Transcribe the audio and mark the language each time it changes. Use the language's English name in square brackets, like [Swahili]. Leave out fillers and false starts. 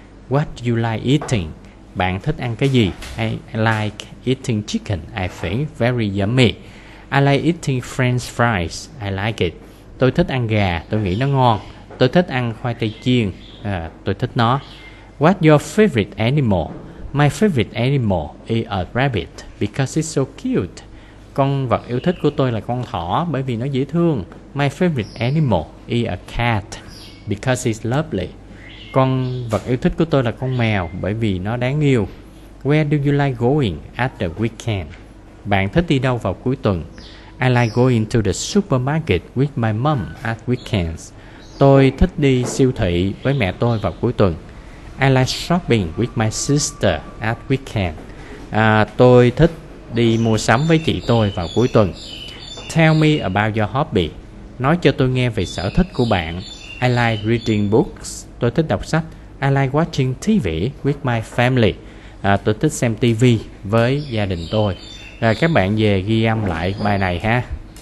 [English] What do you like eating? [Vietnamese] Bạn thích ăn cái gì? [English] I like eating chicken. I think very yummy. I like eating french fries. I like it. [Vietnamese] Tôi thích ăn gà. Tôi nghĩ nó ngon. Tôi thích ăn khoai tây chiên. Tôi thích nó. [English] What's your favorite animal? My favorite animal is a rabbit because it's so cute. [Vietnamese] Con vật yêu thích của tôi là con thỏ bởi vì nó dễ thương. [English] My favorite animal is a cat because it's lovely. [Vietnamese] Con vật yêu thích của tôi là con mèo bởi vì nó đáng yêu. [English] Where do you like going at the weekend? [Vietnamese] Bạn thích đi đâu vào cuối tuần? [English] I like going to the supermarket with my mom at weekends. [Vietnamese] Tôi thích đi siêu thị với mẹ tôi vào cuối tuần. [English] I like shopping with my sister at weekend. [Vietnamese] Tôi thích đi mua sắm với chị tôi vào cuối tuần. [English] Tell me about your hobby. [Vietnamese] Nói cho tôi nghe về sở thích của bạn. [English] I like reading books. [Vietnamese] Tôi thích đọc sách. [English] I like watching TV with my family. [Vietnamese] Tôi thích xem TV với gia đình tôi. Rồi các bạn về ghi âm lại bài này ha.